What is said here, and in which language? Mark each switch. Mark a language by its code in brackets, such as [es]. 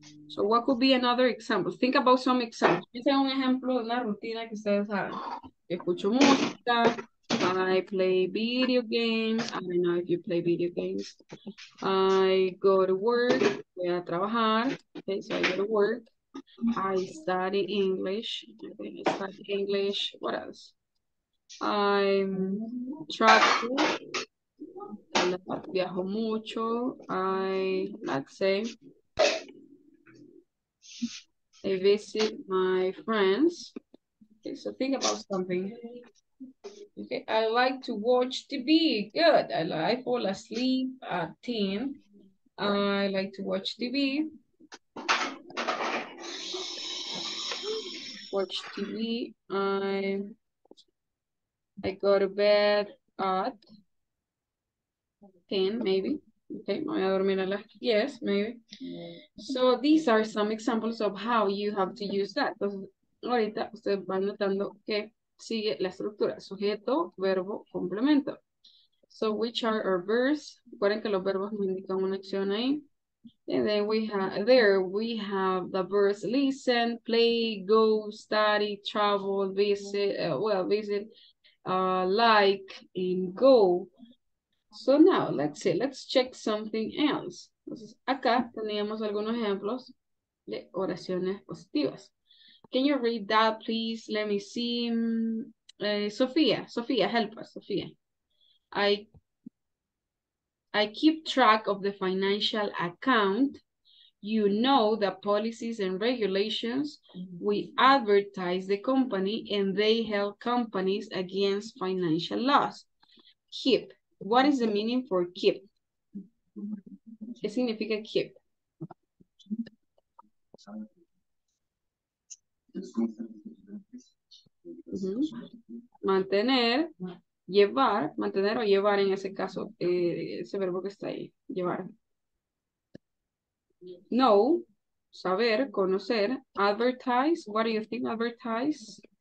[en] So what could be another example? Think about some examples. [es] Piensa en un ejemplo de una rutina que ustedes saben. Escucho música. [en] I play video games. I don't know if you play video games. I go to work. [es] Voy a trabajar. [en] Okay, so I go to work. I study English. Okay, I study English. What else? I travel. [es] Viajo mucho. [en] Let's say. I visit my friends. Okay, so think about something. Okay, I like to watch TV. Good. I like fall asleep at 10. I like to watch TV. Watch TV. I go to bed at 10, maybe. [es] Okay, me voy a dormir a las 10, maybe. [en] So these are some examples of how you have to use that. [es] Entonces, ahorita ustedes van notando que sigue la estructura. Sujeto, verbo, complemento. [en] So which are our verbs? [es] Recuerden que los verbos nos indican una acción ahí. [en] And then we have, there we have the verbs listen, play, go, study, travel, visit, visit, like, and go. So now, let's see, let's check something else. Entonces, acá teníamos algunos ejemplos de oraciones positivas. Can you read that, please? Let me see. Sofía, help us, Sofía. I keep track of the financial account. You know the policies and regulations. We advertise the company and they help companies against financial loss. Keep. What is the meaning for keep? [es] ¿Qué significa keep? Mantener, llevar, mantener o llevar en ese caso, ese verbo que está ahí, llevar. [en] Know, [es] saber, conocer, [en] advertise, what do you think advertise?